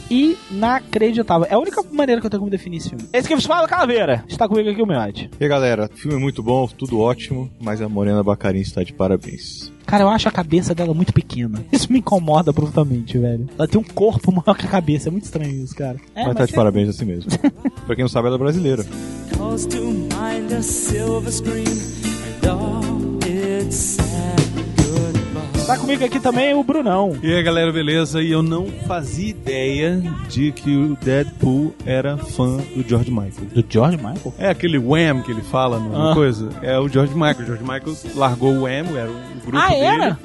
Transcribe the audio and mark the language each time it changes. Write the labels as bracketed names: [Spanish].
[Portuguese] Inacreditável. É a única maneira que eu tenho como definir esse filme. Esse que eu falo, Calaveira. Está comigo aqui o Miote. E aí, galera, filme muito bom, tudo ótimo, mas a Morena Baccarin está de parabéns. Cara, eu acho a cabeça dela muito pequena. Isso me incomoda profundamente, velho. Ela tem um corpo maior que a cabeça. É muito estranho isso, cara. Mas tá de parabéns assim mesmo. Pra quem não sabe, ela é brasileira. [English] Calls to mind a silver screen and all its sad goodbye. [Portuguese] Tá comigo aqui também o Brunão. E aí, galera, beleza? E eu não fazia ideia de que o Deadpool era fã do George Michael. Do George Michael? É aquele Wham que ele fala, não é uma coisa? É o George Michael. O George Michael largou o Wham, era o grupo dele.